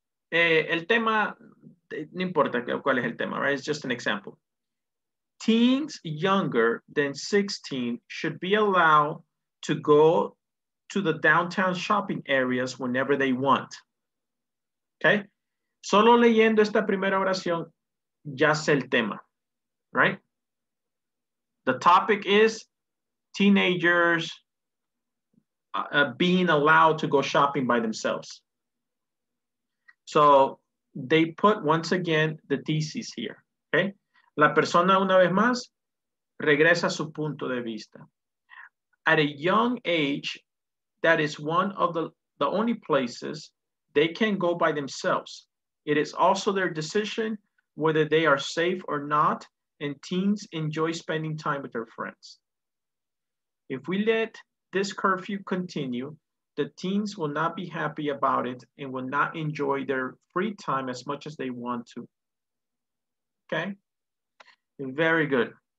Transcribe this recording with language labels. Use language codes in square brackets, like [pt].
[es] El tema, no importa cuál es el tema, [en] right? It's just an example. Teens younger than 16 should be allowed to go to the downtown shopping areas whenever they want, okay? [es] Solo leyendo esta primera oración, ya sé el tema, [en] right? The topic is teenagers being allowed to go shopping by themselves. So they put once again the thesis here, okay? [es] La persona una vez más regresa a su punto de vista. [en] At a young age, that is one of the only places they can go by themselves. It is also their decision whether they are safe or not, and teens enjoy spending time with their friends. If we let this curfew continue, the teens will not be happy about it and will not enjoy their free time as much as they want to. Okay? Very good.